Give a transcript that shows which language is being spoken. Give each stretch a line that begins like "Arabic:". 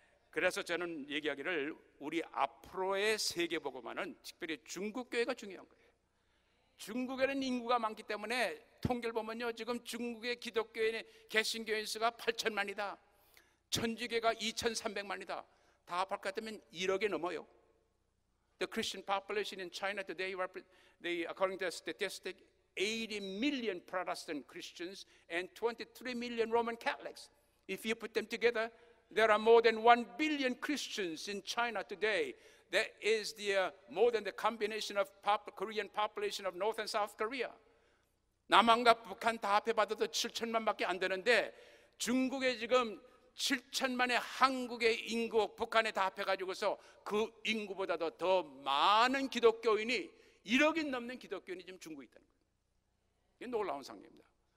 Korean: 그래서 저는 얘기하기를 우리 앞으로의 세계복음화는 특별히 중국교회가 중요한 거예요. 중국에는 인구가 많기 때문에 통계를 보면요. 지금 중국의 기독교인의 개신교인 수가 8천만이다. 천주교가 2,300만이다. 다 합할 것 같으면 1억이 넘어요.
English: The Christian population in China today, they, according to the statistic, 80 million Protestant Christians and 23 million Roman Catholics. If you put them together, there are more than 1 billion Christians in China today. That is the, more than the combination of Korean population of North and South Korea.
Korean: 남한과 북한 다 합해봐도 7천만밖에 안 되는데 중국에 지금 7천만의 한국의 인구 북한에 다 합해가지고서 그 인구보다도 더 많은 기독교인이 1억이 넘는 기독교인이 지금 중국에 있다는 거예요. 이게 놀라운 상황입니다.